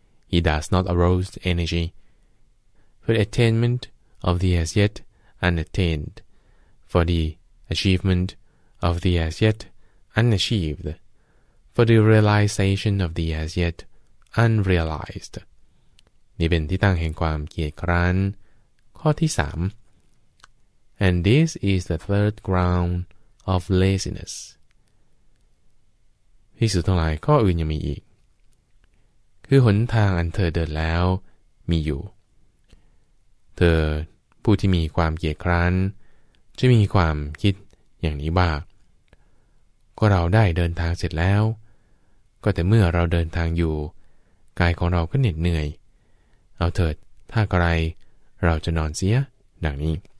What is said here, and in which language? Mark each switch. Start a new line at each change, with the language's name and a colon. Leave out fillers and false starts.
English: He does not arouse energy for the attainment of the as yet unattained, for the achievement of the as yet unachieved. For the realization of the as yet unrealized.
Thai: นี่เป็นที่ตั้งแห่งความเกียจคร้านข้อที่สาม
English: And this is the third ground of laziness.
Thai: ภิกษุทั้งหลายข้ออื่นยังมีอีกคือหนทางอันเธอเดินแล้วมีอยู่เธอผู้ที่มีความเกียจคร้านจะมีความคิดอย่างนี้ว่าก็เราได้เดินทางเสร็จแล้วก็แต่เมื่อเราเดินทางอยู่กายของเราก็เหน็ดเหนื่อยเอาเถิดถ้าใครเราจะนอนเสียดังนี้